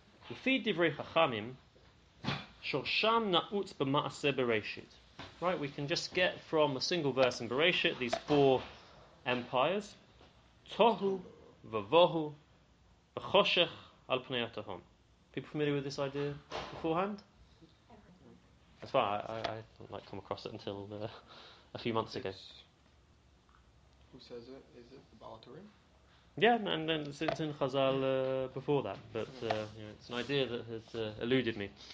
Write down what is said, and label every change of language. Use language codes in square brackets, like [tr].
[he] לפי דברי חכמים, שורשם נעוץ במעשה בראשית. [en] Right, we can just get from a single verse in Bereshit, these four empires. [he] Tohu ווהו וחושך על פני התהום. [en] People familiar with this idea beforehand? That's fine, I didn't like come across it until a few months ago. Who says it? Is it the Baal Turim? Yeah, and then it's in Chazal before that, but you know, it's an idea that has eluded me.